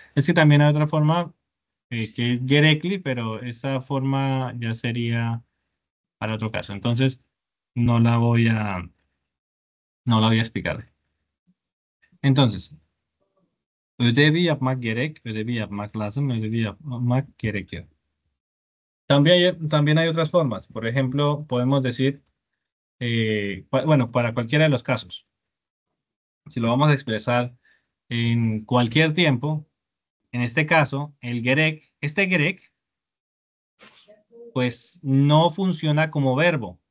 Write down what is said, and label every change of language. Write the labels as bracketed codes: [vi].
[es] Es que también hay otra forma que es Gerekli, pero esa forma ya sería para otro caso. Entonces, no la voy a explicar. [tr] Entonces, ödevi yapmak gerek, ödevi yapmak lazım, ödevi yapmak gerekiyor. [es] También hay otras formas. Por ejemplo, podemos decir, bueno, para cualquiera de los casos, si lo vamos a expresar en cualquier tiempo, en este caso, el gerek, este gerek, pues no funciona como verbo.